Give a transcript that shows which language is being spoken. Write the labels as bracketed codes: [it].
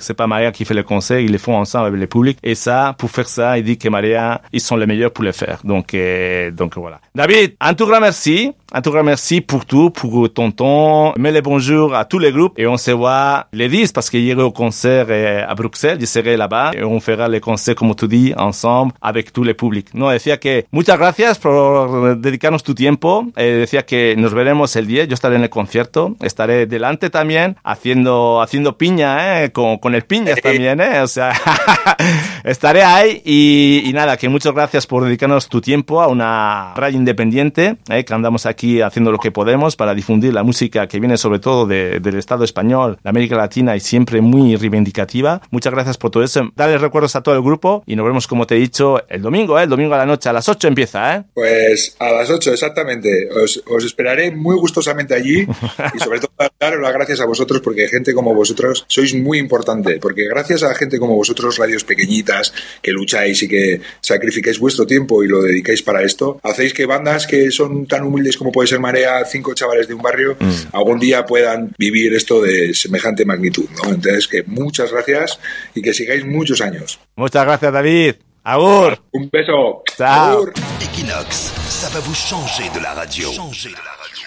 [fr] C'est pas Marea qui fait les concerts, ils le font ensemble avec le public. Et ça, pour faire ça, il dit que Marea, ils sont les meilleurs pour le faire. Donc voilà. David, un tout grand merci pour tout, pour ton temps. Mets les bonjour à tous les groupes et on se voit les 10 parce qu'il y aura au concert à Bruxelles, je serai là-bas et on fera les concerts, comme tu dis, ensemble avec tous les publics. [es] No, decía que muchas gracias por dedicarnos tu tiempo. Decía que nos veremos el 10, yo estaré en el concierto, estaré delante también haciendo piña, con el piñas también, o sea, estaré ahí y nada, que muchas gracias por dedicarnos tu tiempo a una radio independiente, que andamos aquí aquí haciendo lo que podemos para difundir la música que viene sobre todo del Estado español, la América Latina, y siempre muy reivindicativa. Muchas gracias por todo eso. Dale recuerdos a todo el grupo y nos vemos, como te he dicho, el domingo a la noche, a las 8 empieza, ¿eh? Pues a las 8, exactamente. Os esperaré muy gustosamente allí y sobre todo daros las gracias a vosotros, porque gente como vosotros sois muy importante, porque gracias a gente como vosotros, radios pequeñitas, que lucháis y que sacrificáis vuestro tiempo y lo dedicáis para esto, hacéis que bandas que son tan humildes como puede ser Marea, 5 chavales de un barrio, algún día puedan vivir esto de semejante magnitud, ¿no? Entonces, que muchas gracias y que sigáis muchos años. Muchas gracias, David. Agur. Un beso. [fr] Chao. Equinox, ça va vous changer de la radio.